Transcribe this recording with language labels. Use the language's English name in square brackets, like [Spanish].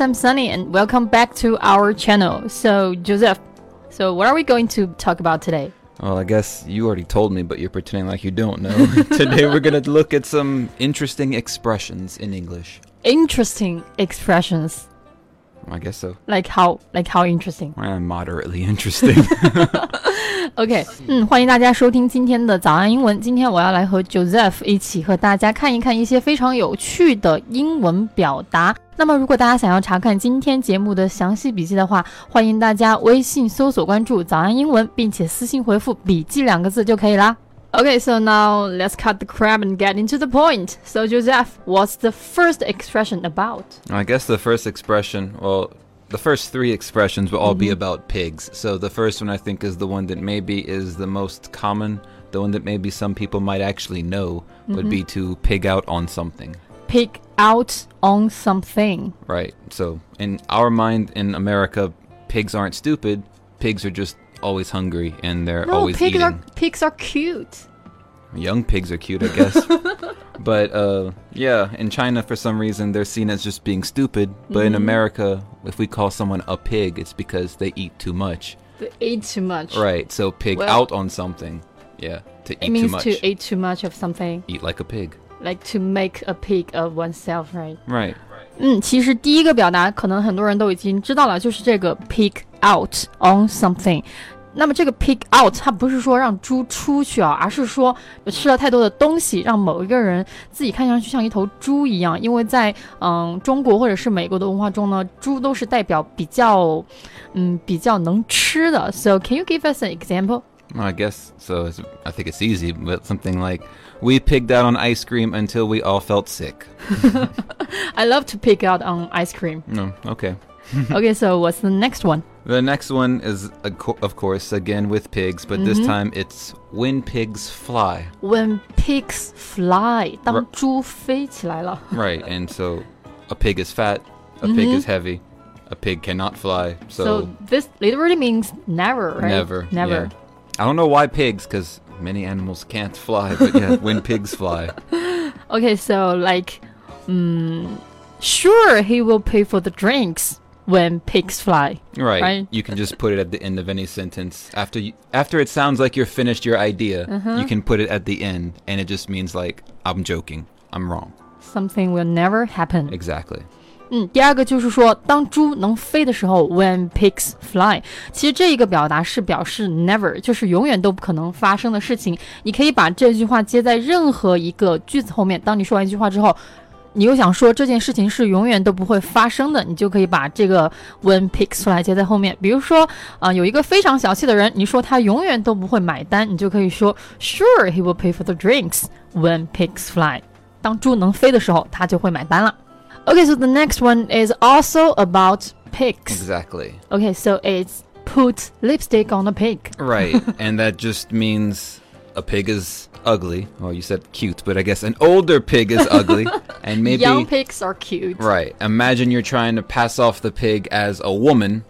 [English] I'm Sunny, and welcome back to our channel. So, Joseph, so what are we going to talk about today? Well, I guess you already told me, but you're pretending like you don't know. Today, we're going to look at some interesting expressions in English. Interesting expressions? I guess so. Like how interesting? Moderately interesting. [Chinese] OK, 欢迎大家收听今天的早安英文。今天我要来和 Joseph 一起和大家看一看一些非常有趣的英文表达。那么如果大家想要查看今天节目的详细笔记的话，欢迎大家微信搜索关注早安英文，并且私信回复笔记两个字就可以啦。 [English] OK, so now let's cut the crap and get into the point. So Joseph, what's the first expression about? I guess the first expression, well... The first three expressions will all、mm-hmm. be about pigs. So the first one, I think, is the one that maybe is the most common. The one that maybe some people might actually know、mm-hmm. would be to pig out on something. Pig out on something. Right. So in our mind, in America, pigs aren't stupid. Pigs are just always hungry and they're no, always pigs eating. No, pigs are cute. Young pigs are cute, I guess. But, yeah, in China, for some reason, they're seen as just being stupid. But、mm. in America, if we call someone a pig, it's because they eat too much. They eat too much. Right, so pig well, out on something. Yeah, to eat too much. It means to eat too much of something. Eat like a pig. Like to make a pig of oneself, right? Right. [Chinese] 其实第一个表达可能很多人都已经知道了，就是这个 [English] pig out on something. [Chinese] 那么这个 pig out 它不是说让猪出去啊，而是说吃了太多的东西，让某一个人自己看上去像一头猪一样。因为在中国或者是美国的文化中呢，猪都是代表比较能吃的。 [English] So can you give us an example? I guess so. I think it's easy, but something like we pigged out on ice cream until we all felt sick. I love to pig out on ice cream. No, okay. Okay, so what's the next one? The next one is, of course, again with pigs, but、mm-hmm. this time it's when pigs fly. When pigs fly, [Chinese] 当猪飞起来了 [English] Right, and so a pig is fat, a、mm-hmm. pig is heavy, a pig cannot fly. So this literally means never, right? Never.、Yeah. I don't know why pigs, because many animals can't fly, but yeah, when pigs fly. Okay, so like, sure, he will pay for the drinks. When pigs fly. Right. You can just put it at the end of any sentence. After it sounds like you're finished your idea,、uh-huh. you can put it at the end. And it just means like, I'm joking. I'm wrong. Something will never happen. Exactly. [Chinese] 第二个就是说当猪能飞的时候 [English] when pigs fly [Chinese] 其实这一个表达是表示 never 就是永远都不可能发生的事情你可以把这句话接在任何一个句子后面当你说完一句话之后你又想说这件事情是永远都不会发生的你就可以把这个 [English] when pigs fly [Chinese] 接在后面比如说、有一个非常小气的人你说他永远都不会买单你就可以说 [English] sure he will pay for the drinks when pigs fly [Chinese] 当猪能飞的时候他就会买单了 [English] OK, so the next one is also about pigs Exactly OK, so it's put lipstick on a pig Right, and that just means a pig is ugly Well, you said cute, but I guess an older pig is ugly And maybe, Young pigs are cute. Right. Imagine you're trying to pass off the pig as a woman.